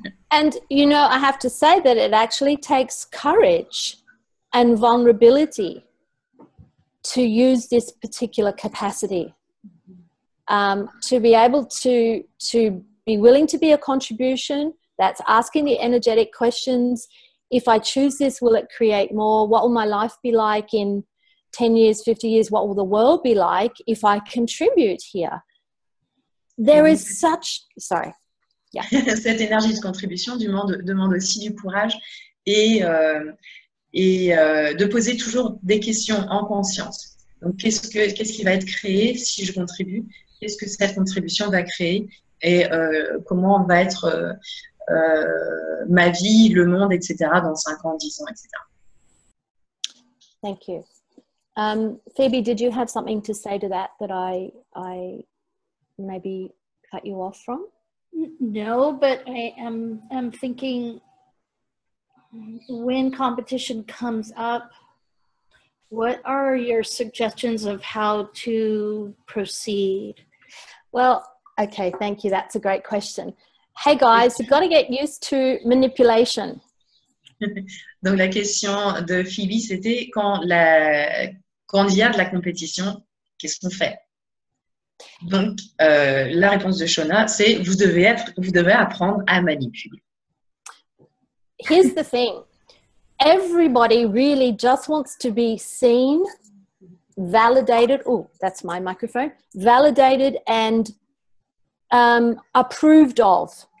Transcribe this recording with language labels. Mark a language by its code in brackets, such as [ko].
[en] And you know, I have to say that it actually takes courage and vulnerability to use this particular capacity, to be able to be willing to be a contribution. That's asking the energetic questions. If I choose this, will it create more? What will my life be like in 10 years, 50 years? What will the world be like if I contribute here? There is such... Sorry. Yeah. [fr] Cette énergie de contribution demande aussi du courage et de poser toujours des questions en conscience. Donc, qu'est-ce qui va être créé si je contribue? Qu'est-ce que cette contribution va créer? Et comment va être... ma vie, le monde, etc. dans 5 ans, 10 ans, etc. [en] Thank you. Phoebe, did you have something to say to that I maybe cut you off from? No, but I am thinking when competition comes up, what are your suggestions of how to proceed? Well, okay, thank you. That's a great question. Hey guys, you've got to get used to manipulation. [fr] Donc la question de Phoebe, c'était quand il y a de la compétition, qu'est-ce qu'on fait? Donc la réponse de Shauna, c'est vous devez apprendre à manipuler. [en] Here's the thing. Everybody really just wants to be seen, validated. Oh, that's my microphone. Validated and approved of.